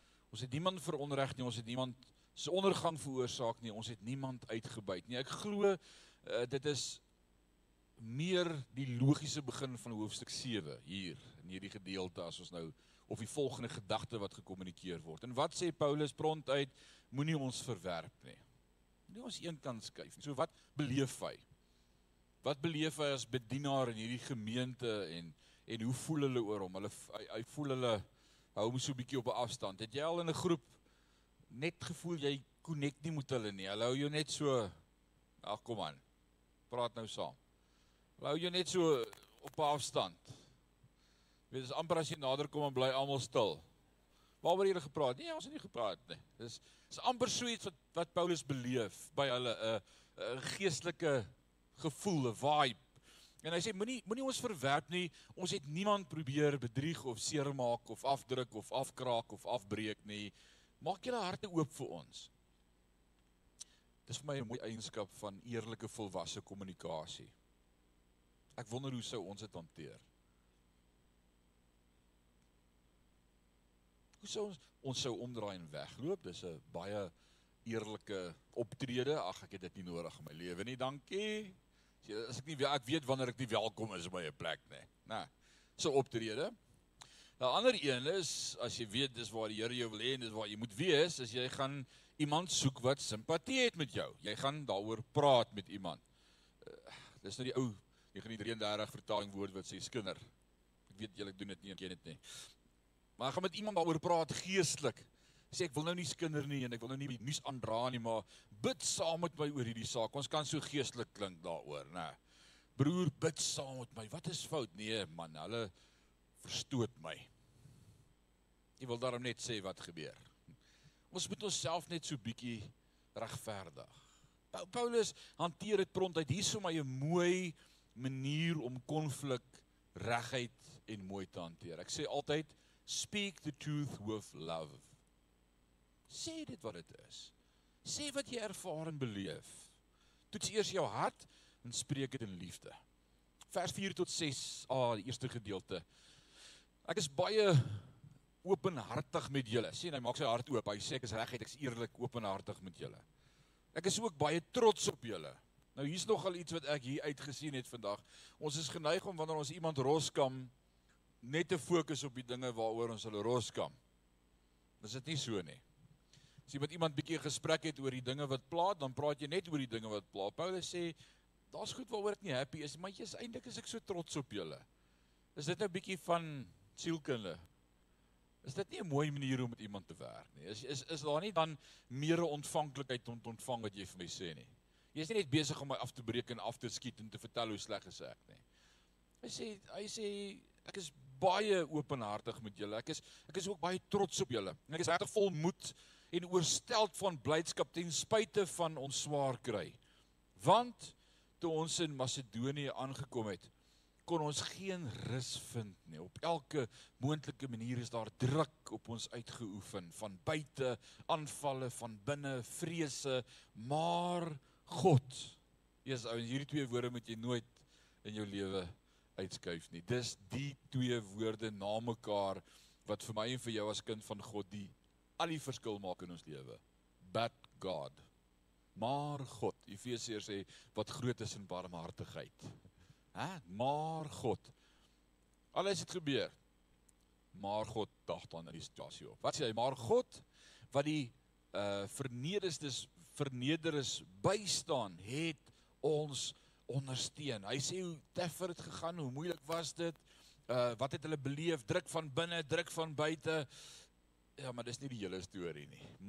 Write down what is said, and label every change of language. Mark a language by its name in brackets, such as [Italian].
[Afrikaans] Ons het niemand verontreg nie. Ons het niemand se ondergang veroorsaak nie. Ons het niemand uitgebuit nie. Ek glo dit is meer die logiese begin van hoofstuk 7 hier in hierdie gedeelte as ons nou of die volgende gedagte wat gekommunikeer word. En wat sê Paulus prontuit, moenie ons verwerp nie. Moenie ons een kant skuif nie. So wat beleef hy? Wat beleef hy as bedienaar in hierdie gemeente en hoe voel hulle oor hom? Hy voel hulle hou hom so 'n bietjie op 'n afstand. Het jy al in 'n groep net gevoel jy connect nie met hulle nie? Hulle hou jou net so, ag kom aan. Praat nou saam. Hou jy net so op afstand. Weet, is amper as jy nader kom en bly almal stil. Waaroor het jy gepraat? Nee, ons het nie gepraat nie. Dis amper so iets wat Paulus beleef by hulle, 'n geestelike gevoel, 'n vibe. En hy sê, moenie ons verwerp nie, ons het niemand probeer bedrieg of seermaak of afdruk of afkraak of afbreek nie. Maak julle harte oop vir ons. Dis vir my 'n mooi eienskap van eerlike volwasse kommunikasie. Ek wonder hoe sou ons dit hanteer. Hoe sou ons sou omdraai en wegloop? Dis 'n baie eerlike optrede. Ag, ek het dit nie nodig in my lewe nie. Dankie. As ek nie ek weet wanneer ek nie welkom is by 'n plek nie. Nee. So optrede. 'n Ander een is as jy weet dis waar die Here jou wil hê en dis waar jy moet wees, as jy gaan iemand soek wat simpatie het met jou. Jy gaan daaroor praat met iemand. Dis nou die ou 33 vertaling woord wat sê skinder. Ek weet julle doen dit nie, ek ken dit nie. Maar ek gaan met iemand daaroor praat geestelik. Sê ek wil nou nie skinder nie en ek wil nou nie die nuus aandra nie, maar bid saam met my oor hierdie saak. Ons kan so geestelik klink daaroor, nê. Broer, bid saam met my. Wat is fout? Nee, man, hulle verstoot my. Jy wil daarom net sê wat gebeur. Ons moet onsself net so bietjie regverdig. Paulus hanteer dit prontuit. Hier is vir my 'n mooi manier om konflik reguit en mooi te hanteer. Ek sê altyd, [English] speak the truth with love. [Afrikaans] Sê dit wat dit is. Sê wat jy ervaar en beleef. Toets eers jou hart en spreek dit in liefde. Vers 4 tot 6, die eerste gedeelte. Ek is baie openhartig met julle. Sien, hy maak sy hart oop. Hy sê ek is reguit, ek is eerlik, openhartig met julle. Ek is ook baie trots op julle. Nou hier's nogal iets wat ek hier uitgesien het vandag. Ons is geneig om wanneer ons iemand roskam net te fokus op die dinge waaroor ons hulle roskam. Is dit nie so nie? As jy met iemand bietjie 'n gesprek het oor die dinge wat pla, dan praat jy net oor die dinge wat pla. Paulus sê daar's goed waaroor ek nie happy is, maar jy's eintlik is ek so trots op julle. Is dit nou bietjie van sielkunde? Is dit nie 'n mooi manier om met iemand te werk nie? Is daar nie dan meer ontvanklikheid om te ontvang wat jy vir my sê nie? Jy's nie net besig om my af te breek en af te skiet en te vertel hoe sleg is ek nie. Hy sê ek is baie openhartig met julle. Ek is ook baie trots op julle. En ek is regtig vol moed en oorsteld van blydskap ten spyte van ons swaar kry. Want toe ons in Macedonië aangekom het, kon ons geen rus vind nie. Op elke moontlike manier is daar druk op ons uitgeoefen, van buite, aanvalle van binne, vrese, maar God. Jesus, ouens, hierdie twee woorde moet jy nooit in jou lewe uitskuif nie. Dis die twee woorde na mekaar wat vir my en vir jou as kind van God die al die verskil maak in ons lewe. [English] But God. [Afrikaans] Maar God. Efesiërs sê wat groot is in barmhartigheid. Hè? Maar God. Alles het gebeur. Maar God dag dan in die situasie op. Wat sê hy? Maar God wat die vernederes bystaan het ons ondersteun. Hy sê hoe teffer het gegaan, hoe moeilik was dit? Wat het hulle beleef? Druk van binne, druk van buite. Ja, maar dis nie die hele storie nie.